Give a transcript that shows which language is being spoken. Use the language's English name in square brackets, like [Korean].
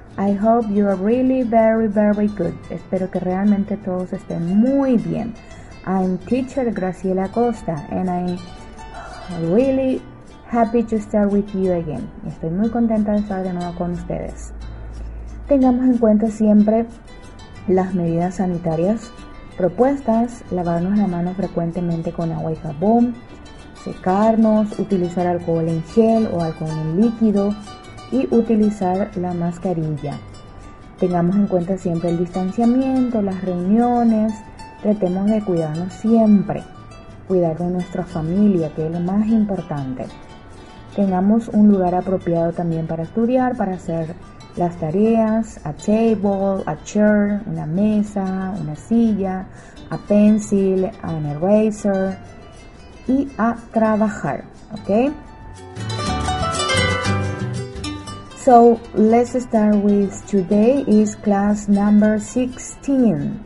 [English] I hope you are really very, very good. [Spanish] Espero que realmente todos estén muy bien. [English] I'm teacher Graciela Costa, and I'm really happy to start with you again. [Spanish] Estoy muy contenta de estar de nuevo con ustedes. Tengamos en cuenta siempre las medidas sanitarias propuestas: lavarnos la mano frecuentemente con agua y jabón, secarnos, utilizar alcohol en gel o alcohol en líquido y utilizar la mascarilla. Tengamos en cuenta siempre el distanciamiento, las reuniones, tratemos de cuidarnos siempre, cuidar de nuestra familia, que es lo más importante. Tengamos un lugar apropiado también para estudiar, para hacer las tareas: [English] a table, a chair, [Spanish] una mesa, una silla, [English] a pencil, a an eraser, [Spanish] y a trabajar, ¿ok? [English] So, let's start with today is class number 16.